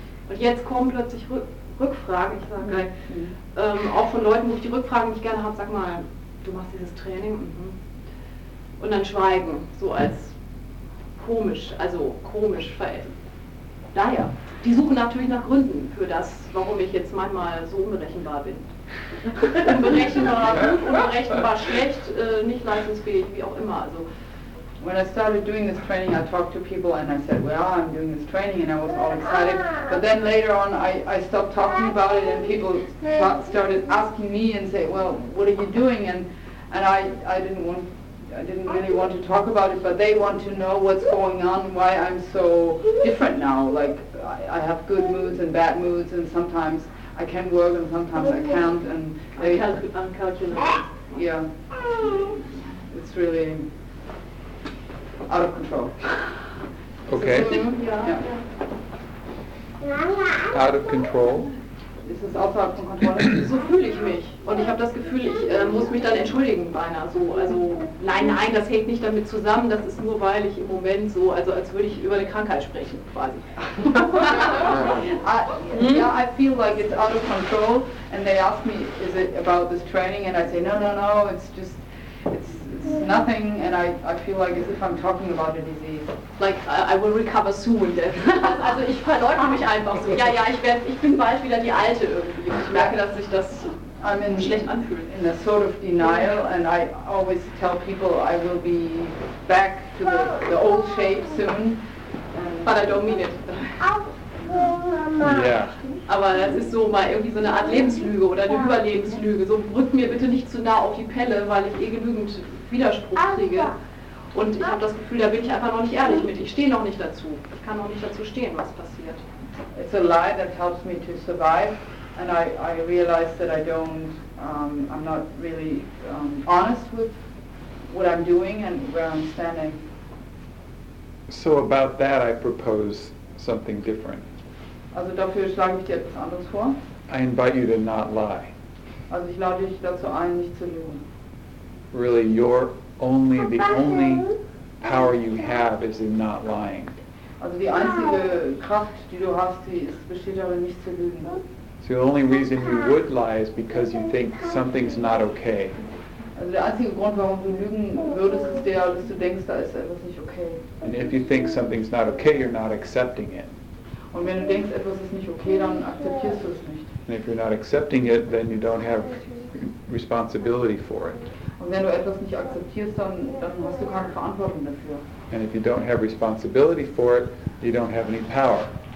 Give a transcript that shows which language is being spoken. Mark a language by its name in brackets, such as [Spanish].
[German] Und jetzt kommen plötzlich Rückfragen, ich sage gleich, auch von Leuten, wo ich die Rückfragen nicht gerne habe, sag mal, du machst dieses Training, und dann schweigen, so als komisch, also komisch, weil, naja, die suchen natürlich nach Gründen für das, warum ich jetzt manchmal so unberechenbar bin. Unberechenbar gut, unberechenbar schlecht, nicht leistungsfähig, wie auch immer, also. [English] When I started doing this training, I talked to people and I said, well, I'm doing this training, and I was all excited. But then later on, I stopped talking about it, and people started asking me and say, well, what are you doing? And I didn't want I didn't really want to talk about it, but they want to know what's going on, why I'm so different now. Like, I have good moods and bad moods, and sometimes I can work and sometimes I can't. And they, uncalculated. Yeah. It's really out of control. Okay. Yeah. Out of control. [German] Ist es außerhalb von Kontrolle? So fühle ich mich. Und ich habe das Gefühl, ich muss mich dann entschuldigen beinahe so. Also nein, nein, das hängt nicht damit zusammen. Das ist nur, weil ich im Moment so, also als würde ich über eine Krankheit sprechen quasi. [English] Yeah, I feel like it's out of control. And they ask me, is it about this training? And I say, no, no, no, it's just, it's nothing. And I feel like as if I'm talking about a disease. Like, I will recover soon. [German] Also ich verleugne mich einfach so. Ja, ja, ich bin bald wieder die Alte irgendwie. Ich merke, dass sich das schlecht anfühlt. [English] In a sort of denial, and I always tell people I will be back to the old shape soon. But I don't mean it. Yeah. [German] Aber das ist so mal irgendwie so eine Art Lebenslüge oder eine Überlebenslüge. So rückt mir bitte nicht zu nah auf die Pelle, weil ich eh genügend Widerspruch kriege. Und ich habe das Gefühl, da bin ich einfach noch nicht ehrlich mit. Ich stehe noch nicht dazu. Ich kann noch nicht dazu stehen, was passiert. [English] It's a lie that helps me to survive. And I realize that I don't, I'm not really honest with what I'm doing and where I'm standing. So about that I propose something different. [German] Also dafür schlage ich dir etwas anderes vor. [English] I invite you to not lie. [German] Also ich lade dich dazu ein, nicht zu lügen. [English] Really, you're only, the only power you have is in not lying. [German] Also die einzige Kraft, die du hast, die ist, besteht darin, nicht zu lügen. [English] So the only reason you would lie is because you think something's not okay. [German] Also der einzige Grund, warum du lügen würdest, ist der, dass du denkst, da ist etwas nicht okay. [English] And if you think something's not okay, you're not accepting it. [German] Und wenn du denkst, etwas ist nicht okay, dann akzeptierst du es nicht. [English] And if you're not accepting it, then you don't have responsibility for it. [German] Und wenn du etwas nicht akzeptierst, dann hast du keine Verantwortung dafür. [English] And if you don't have responsibility for it, you don't have any power.